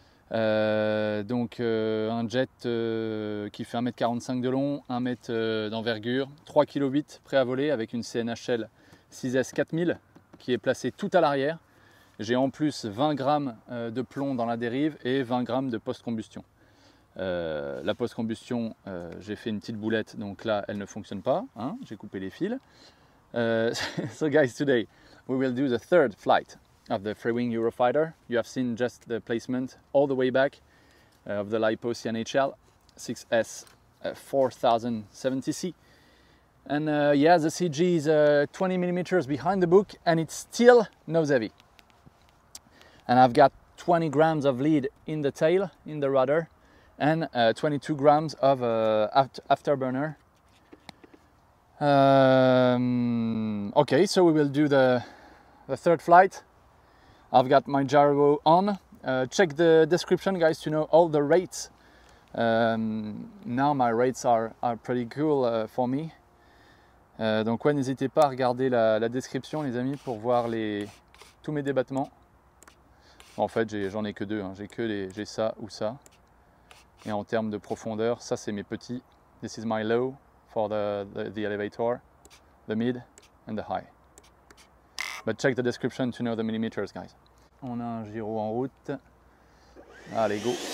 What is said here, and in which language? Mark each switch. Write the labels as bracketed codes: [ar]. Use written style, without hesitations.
[fr] Un jet qui fait 1m45 de long, 1m d'envergure, 3,8 kg prêt à voler avec une CNHL 6S 4000 qui est placée tout à l'arrière. J'ai en plus 20 g de plomb dans la dérive et 20 g de post-combustion. La post-combustion, j'ai fait une petite boulette, donc là, elle ne fonctionne pas, hein, j'ai coupé les fils. [en] So guys, today we will do the third flight of the Freewing Eurofighter. You have seen just the placement all the way back of the LiPo CNHL 6S 4070C. And the CG is 20 millimeters behind the book and it's still nose heavy. And I've got 20 grams of lead in the tail, in the rudder. And 22 grams of afterburner. Okay, so we will do the third flight. I've got my gyro on. Check the description, guys, to know all the rates. Now my rates are pretty cool for me. [fr] Donc ouais, n'hésitez pas à regarder la description, les amis, pour voir tous mes débattements. En fait, j'en ai que deux. Hein. J'ai ça ou ça. Et en termes de profondeur, ça c'est mes petits. [en] This is my low for the elevator, the mid and the high. But check the description to know the millimeters, guys. [fr] On a un gyro en route. Allez, go.